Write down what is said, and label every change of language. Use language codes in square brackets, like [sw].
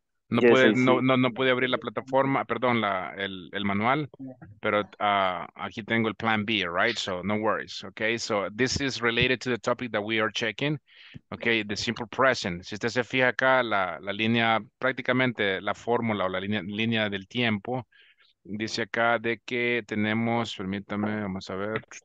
[es] No puede abrir la plataforma, perdón, el manual, pero aquí tengo el plan B, right? [en] So no worries, okay? So this is related to the topic that we are checking, okay? The simple present. [es] Si usted se fija acá, la línea, prácticamente la fórmula o la línea del tiempo, dice acá de que tenemos, vamos a ver.